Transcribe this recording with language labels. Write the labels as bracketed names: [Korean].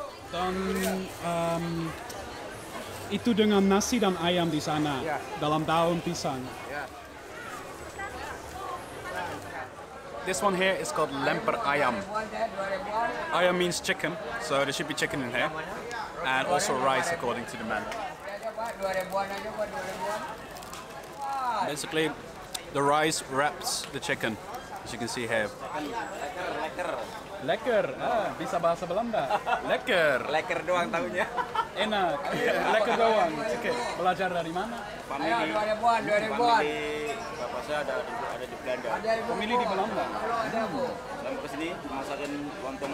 [Indonesian] Dan itu dengan nasi dan ayam di sana, yeah. Dalam daun pisang. Yeah. [English] This one here is called lemper ayam. Ayam means chicken, so there should be chicken in here. And also rice according to the menu. Basically, the rice wraps the chicken, as you can see here. [Indonesian] Lekker, bisa bahasa Belanda. [Dutch] Lekker. [Indonesian] Lekker doang tahunya. Enak. Lekker doang. Oke. Okay. Belajar dari mana? [English] Family. Ayo, [Indonesian] 2000-an, 2000-an. Bapak saya ada di Belanda. Pemilih di Belanda. Lalu ke sini, masakan lontong